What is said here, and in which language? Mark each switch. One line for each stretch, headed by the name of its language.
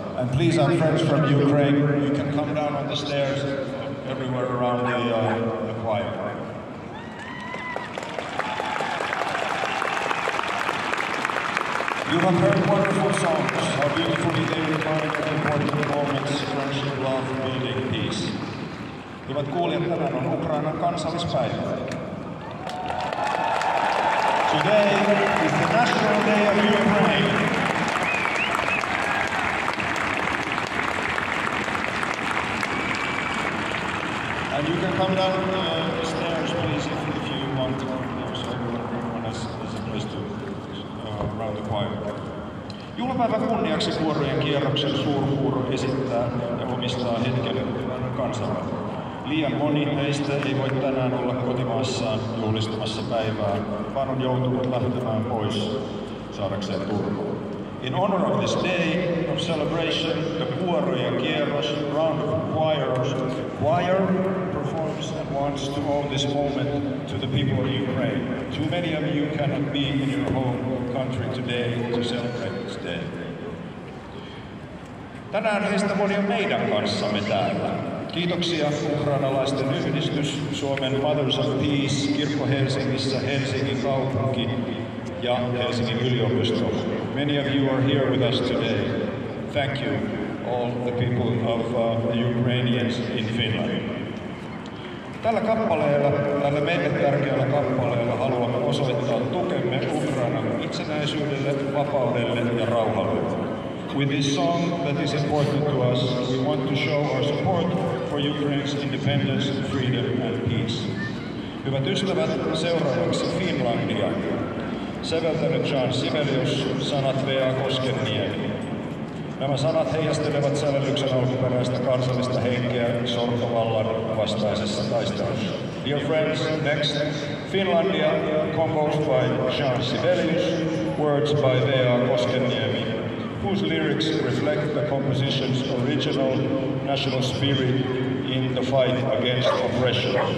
English: And please, our friends from Ukraine, you can come down on the stairs everywhere around the choir. You have heard wonderful songs, how beautifully they remind of important moments, friendship, love, building, peace.
Finnish: Hyvät kuulijat, tänään on Ukrainan kansallispäivä.
English: Today is the National Day of Ukraine. And you can come down the stairs, please, if you want to, so everyone has a place to around the choir.
Finnish: Juhlapäivän kunniaksi kuorojen kierroksen suurhuuro esittää ja omistaa hetken kansalle. Liian moni heistä ei voi tänään olla kotimaassaan juhlistamassa päivää, vaan on joutunut lähtemään pois saadakseen turvaa.
English: In honor of this day of celebration, the kuorojen kierros, round of choirs, choir performs and wants to owe this moment to the people of Ukraine. Too many of you cannot be in your home country today to celebrate this day.
Finnish: Tänään heistä moni on meidän kanssamme täällä. Kiitoksia ukrainalaisten yhdistys, Suomen Mothers of Peace, Kirkko Helsingissä, Helsingin kaupunki ja Helsingin yliopisto.
English: Many of you are here with us today. Thank you, all the people of the Ukrainians in Finland.
Finnish: Tällä kappaleella, tällä meille tärkeällä kappaleella haluamme osoittaa tukemme Ukrainan itsenäisyydelle, vapaudelle ja rauhalle.
English: With this song that is important to us, we want to show our support for Ukraine's independence, freedom and peace.
Finnish: Hyvät ystävät, seuraavaksi Finlandia. Säveltänyt Jean Sibelius, sanat V.A. Koskenniemi. Nämä sanat heijastelevat sävellyksen alkuperäistä kansallista henkeä sortovallan vastaisessa taistelussa.
English: Dear friends, next, Finlandia, composed by Jean Sibelius, words by V.A. Koskenniemi, whose lyrics reflect the composition's original national spirit in the fight against oppression.